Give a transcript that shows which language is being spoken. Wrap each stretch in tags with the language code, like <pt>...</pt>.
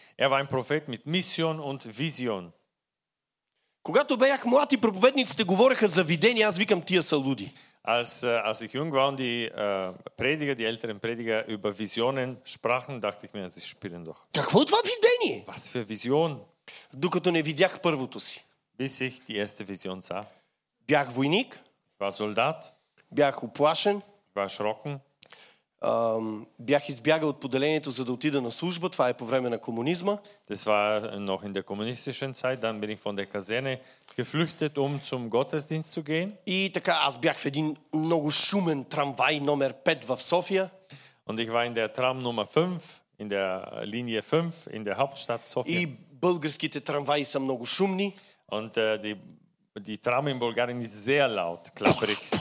<de>Er war ein Prophet mit Mission und Vision.</de> <bg>Когато бях млад и проповедниците говореха за видение, аз викам тия са луди.</bg> <de>Als ich jung war und die älteren Prediger über Visionen sprachen, dachte ich mir, sie spielen doch.</de> <bg>Какво е това видение?</bg> <de>Was für Vision?</de> <bg>Докато не видях първото си.</bg> <de>Bis ich die erste Vision sah.</de> <bg>Бях войник.</bg> <de>War Soldat.</de> <bg>Бях уплашен.</bg> <de>War erschrocken.</de> <bg>Бях избягал от поделението, за да отида на служба. Това е по време на комунизма.</bg> <de>Das war noch in der kommunistischen Zeit. Dann bin ich von der Kaserne geflüchtet, um zum Gottesdienst zu gehen.</de> <bg>И така, аз бях в един много шумен трамвай номер 5 в София.</bg> <de>Und ich war in der Tram Nummer 5, in der Linie 5, in der Hauptstadt Sofia.</de> <bg>И българските трамваи са много шумни.</bg> <de>Und die Tram in Bulgarien ist sehr laut, klapperig.</de>